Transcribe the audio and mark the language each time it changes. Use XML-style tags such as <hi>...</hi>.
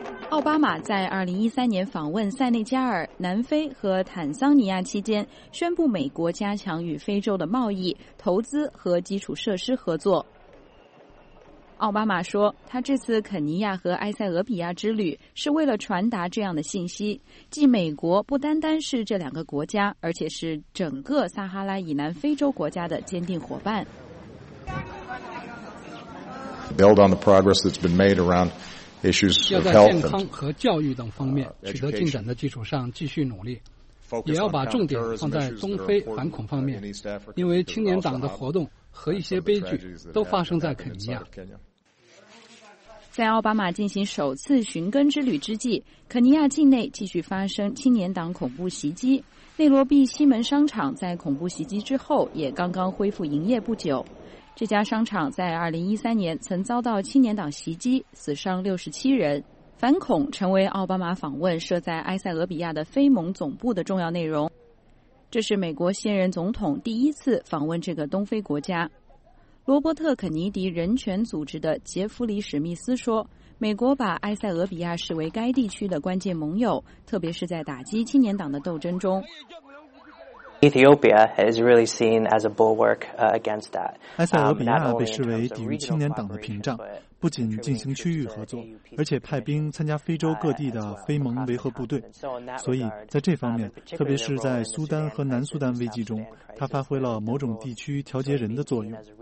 <zh>奥巴马在2013年访问塞内加尔、南非和坦桑尼亚期间，宣布美国加强与非洲的贸易、投资和基础设施合作。奥巴马说，他这次肯尼亚和埃塞俄比亚之旅是为了传达这样的信息，即美国不单单是这两个国家，而且是整个撒哈拉以南非洲国家的坚定伙伴。</zh> <en>Build on the progress that's been made around.</en> <zh>要在健康和教育等方面取得进展的基础上继续努力，也要把重点放在东非反恐方面，因为青年党的活动和一些悲剧都发生在肯尼亚。在奥巴马进行首次寻根之旅之际，肯尼亚境内继续发生青年党恐怖袭击，内罗毕西门商场在恐怖袭击之后也刚刚恢复营业不久。这家商场在2013年曾遭到青年党袭击，死伤67人。反恐成为奥巴马访问设在埃塞俄比亚的非盟总部的重要内容。这是美国现任总统第一次访问这个东非国家。罗伯特·肯尼迪人权组织的杰弗里·史密斯说，美国把埃塞俄比亚视为该地区的关键盟友，特别是在打击青年党的斗争中。</zh> <en>Ethiopia is really seen as a bulwark against that.</en> <zh>埃塞俄比亚被视为抵御青年党的屏障，不仅进行区域合作，而且派兵参加非洲各地的非盟维和部队。所以在这方面，特别是在苏丹和南苏丹危机中，它发挥了某种地区调节人的作用。</zh>